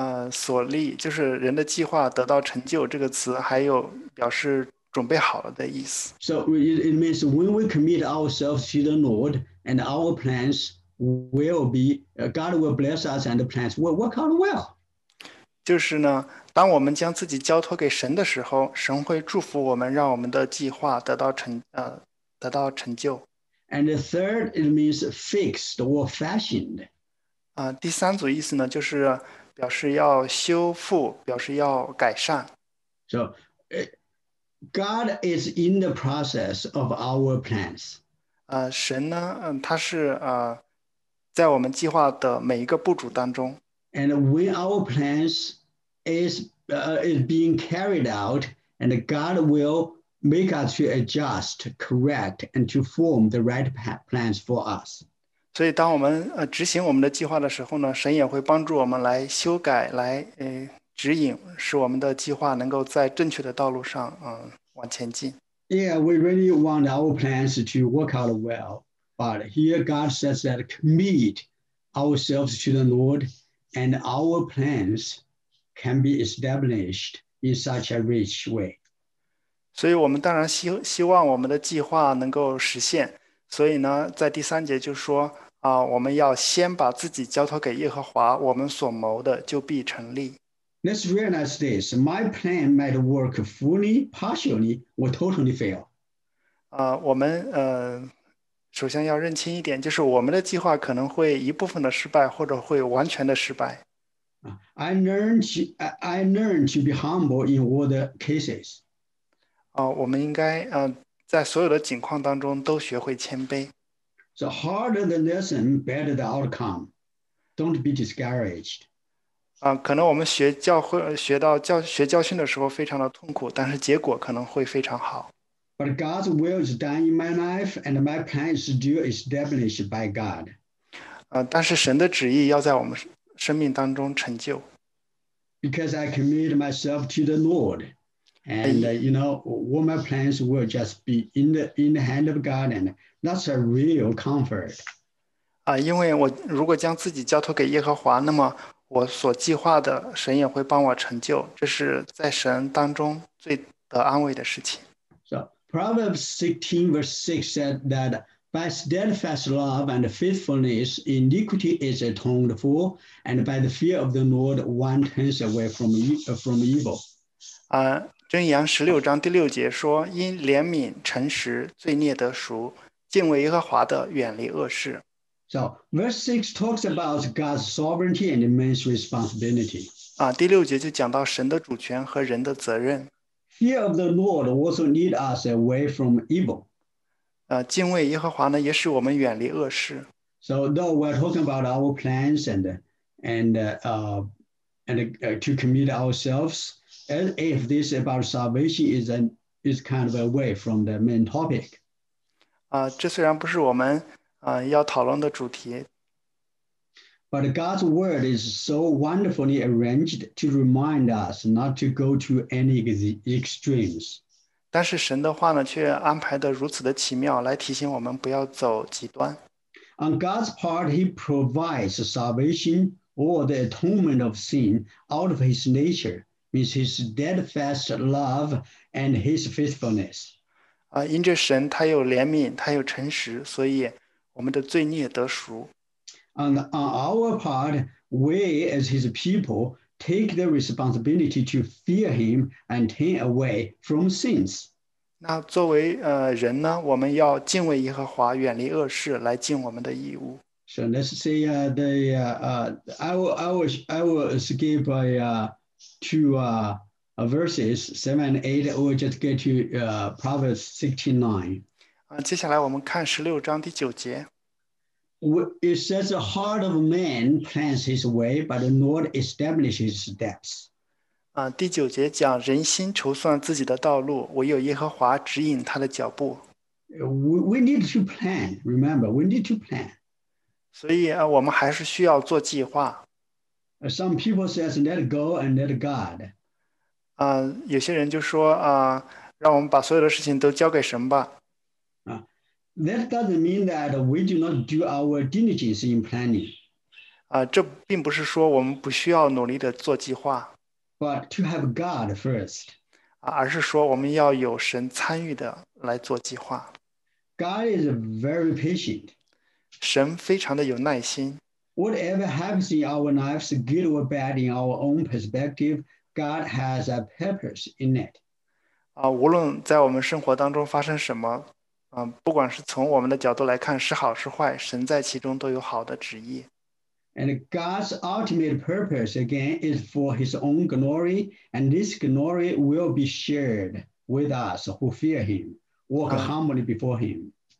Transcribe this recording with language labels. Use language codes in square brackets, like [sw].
[zh] 所立就是人的计划得到成就这个词，还有表示准备好了的意思。 [en] So it means when we commit ourselves to the Lord and our plans will be, God will bless us and the plans will work out well. [zh] 就是呢。当我们将自己交托给神的时候，神会祝福我们，让我们的计划得到成就。 [en] And the third, it means fixed or fashioned. [zh] 第三组意思呢，就是表示要修复，表示要改善。 [en] So, God is in the process of our plans. [zh] 神呢，他是在我们计划的每一个步骤当中。 [en] And when our plans is being carried out, and God will make us to adjust, correct, and to form the right plans for us. [zh] 所以，当我们执行我们的计划的时候呢，神也会帮助我们来修改，来指引，使我们的计划能够在正确的道路上往前进。 [en] Yeah, we really want our plans to work out well, but here God says that commit ourselves to the Lord, and our plans can be established in such a rich way. [zh] 所以我们当然希望我们的计划能够实现。所以呢，在第三节就说我们要先把自己交托给耶和华，我们所谋的就必成立。 [en] Let's realize this. My plan might work fully, partially, or totally fail. [zh] 我们首先要认清一点，就是我们的计划可能会一部分的失败，或者会完全的失败。 [en] I learned to be humble in all the cases. [zh] 我们应该在所有的情况当中都学会谦卑。 [en] So harder the lesson, better the outcome. Don't be discouraged. [zh] 可能我们学教会学到教学教训的时候非常的痛苦，但是结果可能会非常好。 [en] But God's will is done in my life, and my plan is still established by God. [zh] 但是神的旨意要在我们生命当中成就。 [en] Because I commit myself to the Lord, and you know, all my plans will just be in the hand of God, and that's a real comfort. [zh] 因为我如果将自己交托给耶和华，那么我所计划的，神也会帮我成就，这是在神当中最得安慰的事情。 [en] So Proverbs 16 verse 6 said that By steadfast love and faithfulness, iniquity is atoned for, and by the fear of the Lord, one turns away from evil. [zh] 箴言十六章第六节说：“因怜悯诚实，罪孽得赎，敬畏耶和华的，远离恶事。” [en] So verse 6 talks about God's sovereignty and man's responsibility. [zh] 第六节就讲到神的主权和人的责任。 [en] Fear of the Lord also leads us away from evil. [zh] 敬畏耶和华呢，也使我们远离恶事。 [en] So though we're talking about our plans and to commit ourselves. As if this about salvation is kind of away from the main topic. [zh] 这虽然不是我们要讨论的主题。 [en] But God's word is so wonderfully arranged to remind us not to go to any extremes. [zh] 但是神的话呢，却安排得如此的奇妙，来提醒我们不要走极端。 [en] On God's part, He provides salvation or the atonement of sin out of His nature. Means his steadfast love and his faithfulness. [zh] 因着神他有怜悯，他有诚实，所以我们的罪孽得赎。 [en] On our part, we as his people take the responsibility to fear him and turn away from sins. [zh] 那作为人呢，我们要敬畏耶和华，远离恶事，来尽我们的义务。 [en] So let's say I will skip to verses 7 and 8, we'll just get to Proverbs 16:9. [zh] 接下来我们看16章第9节。 [en] It says, the heart of man plans his way, but the Lord establishes his steps. [zh] 第9节讲人心筹算自己的道路，唯有耶和华指引他的脚步。 [en] We need to plan, remember, we need to plan. [zh] 所以我们还是需要做计划。 [en] Some people say, let go and let God. [zh] 有些人就说，让我们把所有的事情都交给神吧。 [en] That doesn't mean that we do not do our diligence in planning. [zh] 这并不是说我们不需要努力地做计划。 [en] But to have God first. [zh] 而是说我们要有神参与地来做计划。 [en] God is very patient. [zh] 神非常的有耐心。 [en] Whatever happens in our lives, good or bad, in our own perspective, God has a purpose in it. [zh] 无论在我们生活当中发生什么，不管是从我们的角度来看，是好是坏，神在其中都有好的旨意。 [en] And God's ultimate purpose, again, is for His own glory, and this glory will be shared with us who fear Him, walk humbly before Him.